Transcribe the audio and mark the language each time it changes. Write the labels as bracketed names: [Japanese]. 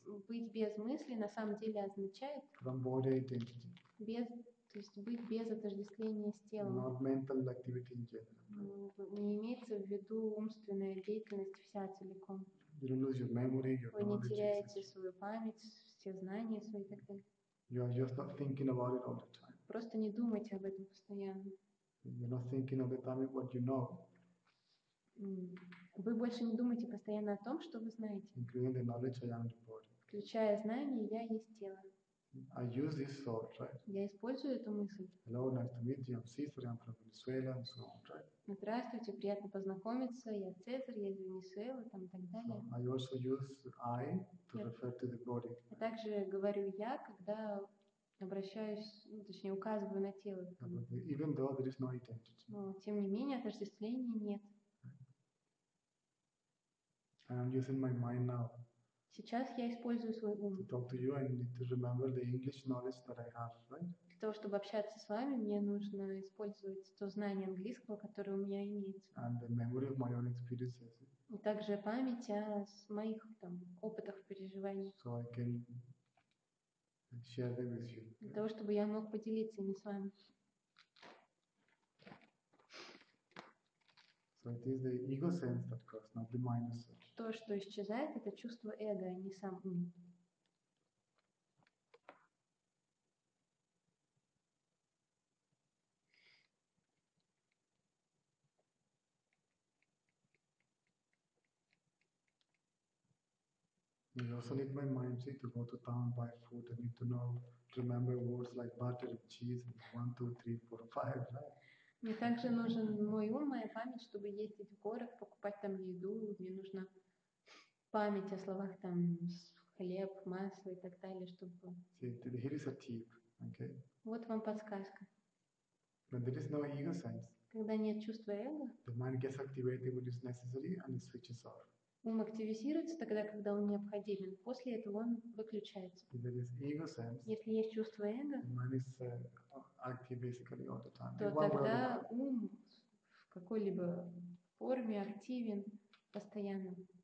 [Russian] быть без мысли на самом деле означает [English] from body identity. [Russian] Без, то есть быть без отождествления с телом. [English] Not mental activity in general. [Russian] Не имеется в виду умственная деятельность вся целиком. [English] You don't lose your memory, your [Russian] вы не теряете свою память, все знания свои и так далее. [English] You are just not thinking about it all the time. [Russian] Просто не думайте об этом постоянно. [English] You're not thinking all the time what you know. [Russian] Вы больше не думаете постоянно о том, что вы знаете. [English] Including the knowledge I am the body. [Russian] Включая знания, я есть тело. [English] I use this thought, right? [Russian] Я использую эту мысль. [English] Hello, nice to meet you. I'm Cesar. I'm from Venezuela, and so on, right? [Russian] Здравствуйте, приятно познакомиться. Я Цезарь, я из Венесуэлы, там и так далее. [English] So I also use I to refer to the body. [Russian] Я также говорю я, когда обращаюсь, точнее указываю на тело. [English] Even though there is no identity. [Russian] Но тем не менее отождествления нет. [English] And I'm using my mind now. [Russian] Сейчас я использую свой ум. [English] To talk to you, I need to remember the English knowledge that I have, right? [Russian] Для того, чтобы общаться с вами, мне нужно использовать то знание английского, которое у меня имеется. [English] And the memory of my own experiences. [Russian] И также память о моих там опытах, переживаниях. [English] So I can share them with you. [Russian] Для того, чтобы я мог поделиться ими с вами. [English] So it is the ego sense that occurs, not the mind as such. [Russian] То, что исчезает, это чувство эго, а не сам ум. [English] You also need my mind, see, to go to town, buy food, I need to know, remember words like butter and cheese, and 1, 2, 3, 4, 5, right? [Russian] Мне также нужен мой ум, моя память, чтобы ездить в город, покупать там еду, мне нужна память о словах там хлеб, масло и так далее, чтобы... [English] See, here is a tip, okay? [Russian] Вот вам подсказка. [English] When there is no ego sense, [Russian] когда нет чувства эго, [English] the mind gets activated when it's necessary and it switches off. [Russian] Ум активизируется тогда, когда он необходимен. После этого он выключается. [English] If there is ego sense, [Russian] если есть чувство эго, [English] the mind is active basically all the time. [Russian] То тогда ум в какой-либо форме активен постоянно.